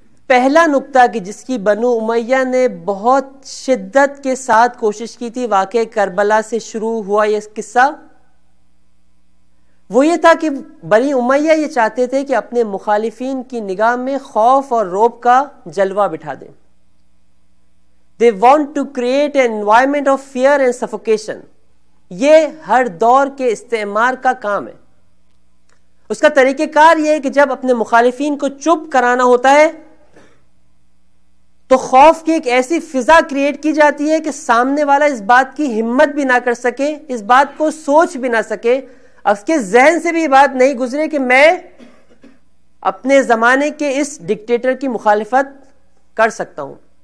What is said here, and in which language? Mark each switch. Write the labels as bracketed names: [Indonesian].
[Urdu] پہلا نقطہ کہ جس کی بنو امیہ نے بہت شدت کے ساتھ کوشش کی تھی, واقعہ کربلا سے شروع ہوا یہ قصہ, وہ یہ تھا کہ بنی امیہ یہ چاہتے تھے کہ اپنے مخالفین کی نگاہ میں خوف اور رعب کا جلوہ بٹھا دیں. [English] They want to create an environment of fear and suffocation. [Urdu] یہ ہر دور کے استعمار کا کام ہے. اس کا طریقہ کار یہ ہے کہ جب اپنے مخالفین کو چپ کرانا ہوتا ہے تو خوف کی ایک ایسی فضا کریٹ کی جاتی ہے کہ سامنے والا اس بات کی ہمت بھی نہ کر سکے, اس بات کو سوچ بھی نہ سکے, اس کے ذہن سے بھی یہ بات نہیں گزرے کہ میں اپنے زمانے کے اس ڈکٹیٹر کی مخالفت کر سکتا ہوں.